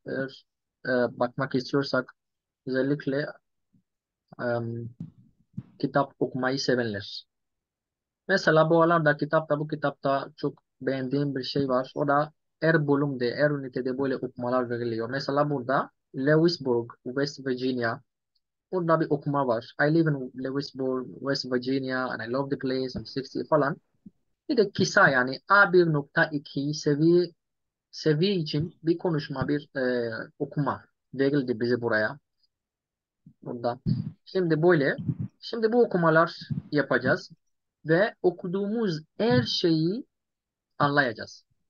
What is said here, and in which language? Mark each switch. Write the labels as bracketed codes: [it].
[tr] Eğer bakmak istiyorsak özellikle kitap okumayı sevenler. Mesela bu aralarda bu kitapta çok beğendiğim bir şey var. O da her bölümde, her ünitede böyle okumalar veriliyor. Mesela burada Lewisburg, West Virginia. Burada bir okuma var. [en] I live in Lewisburg, West Virginia and I love the place, I'm 60 falan. [tr] Bir de kısa yani A1.2 seviye için bir konuşma, bir okuma verildi bize buraya. Burada. Şimdi böyle. Şimdi bu okumalar yapacağız. Ve okuduğumuz her şeyi anlayacağız.